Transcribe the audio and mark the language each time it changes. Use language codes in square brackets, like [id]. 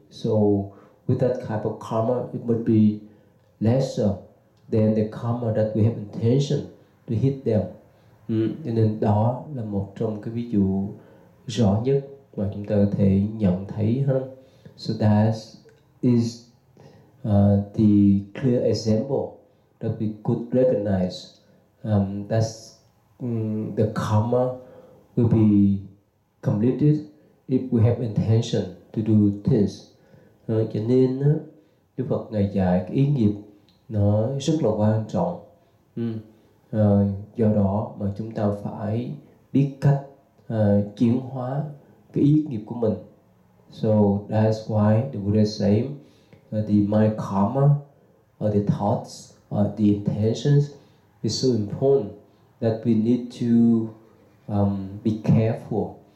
[en] So with that type of karma, it would be lesser than the karma that we have intention to hit them. [vi] Cho nên đó là một trong cái ví dụ rõ nhất mà chúng ta có thể nhận thấy ha. [en] So that is the clear example that we could recognize. That's the karma will be completed if we have intention to do things. [vi] Cho nên Đức Phật ngài dạy cái ý nghiệp nó rất là quan trọng. Do đó mà chúng ta phải biết cách chuyển hóa cái ý nghiệp của mình. [en] So that's why the Buddha say the mind karma or the thoughts or the intentions is so important that we need to be careful.